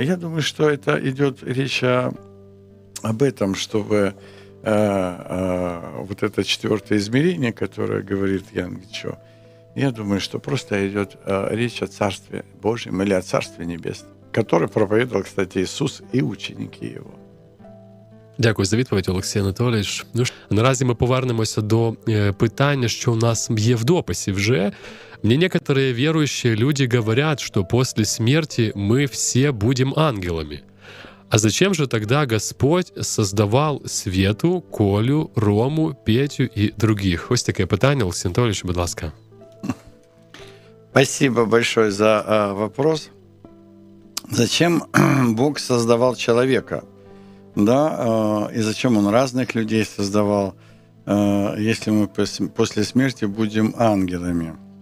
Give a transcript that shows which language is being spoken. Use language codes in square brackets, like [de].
[ru] Я думаю, что это идет речь об этом, чтобы вот это четвертое измерение, которое говорит Ян Гичо. Я думаю, что просто идет речь о Царстве Божьем или о Царстве Небесном, которое проповедовал, кстати, Иисус и ученики Его. [uk] Дякую за відповідь, Олексій Анатолійович. Ну, наразі ми повернемося до питання, що у нас є в дописі вже. Мені некоторі віруючі люди говорять, що після смерті ми всі будемо ангелами. [ru] А зачем же тогда Господь создавал Свету, Колю, Рому, Петю и других? Вот такое питание, Олексій Анатолійович, [uk] будь ласка. [ru] Спасибо большое за вопрос. Зачем Бог создавал человека? Да, и зачем Он разных людей создавал, если мы после смерти будем ангелами?